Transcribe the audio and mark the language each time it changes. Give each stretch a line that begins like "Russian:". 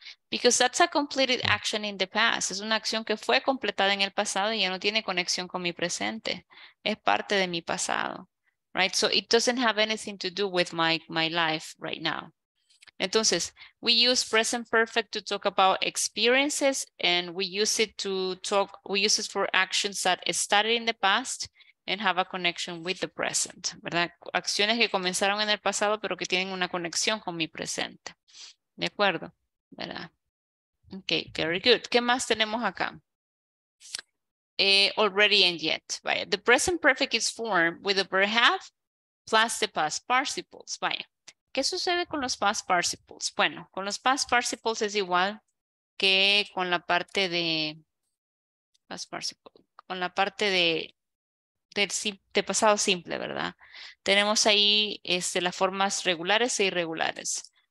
English: Because that's a completed action in the past.
Spanish: Es una acción que fue completada en el pasado y ya no tiene conexión con mi presente. Es parte de mi pasado.
English: Right? So it doesn't have anything to do with my life right now. Entonces, we use present perfect to talk about experiences and we use it for actions that started in the past and have a connection with the present, ¿verdad?
Spanish: Acciones que comenzaron en el pasado pero que tienen una conexión con mi presente. ¿De acuerdo? ¿Verdad? Okay, very good. ¿Qué más tenemos acá? Already and yet. Right?
English: The present perfect is formed with the verb have plus the past participles.
Spanish: Right? ¿Qué sucede con los past participles? Bueno, con los past participles es igual que con la parte de past participle, con la parte de pasado simple, ¿verdad? Tenemos ahí las formas regulares e irregulares.